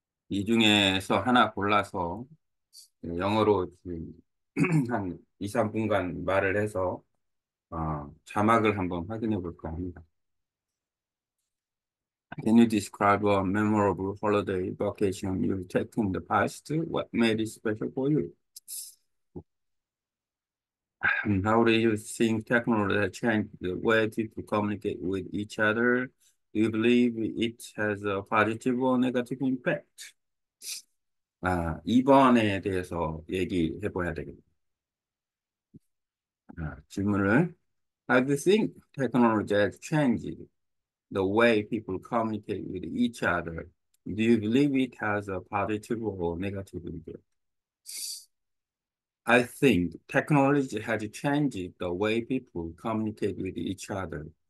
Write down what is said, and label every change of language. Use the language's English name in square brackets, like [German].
[Korean] 중에서 하나 골라서 영어로 지금 한 2, 3분간 말을 해서 자막을 한번 확인해 볼까 합니다. [English] Can you describe a memorable holiday vacation you've taken in the past? What made it special for you? How do you think technology has changed the way people communicate with each other? Do you believe it has a positive or negative impact? [Korean] 2번에 대해서 얘기해 봐야 되겠네요. 질문을. [English] How do you think technology has changed the way people communicate with each other? Do you believe it has a positive or negative impact? I think technology has changed the way people communicate with each other.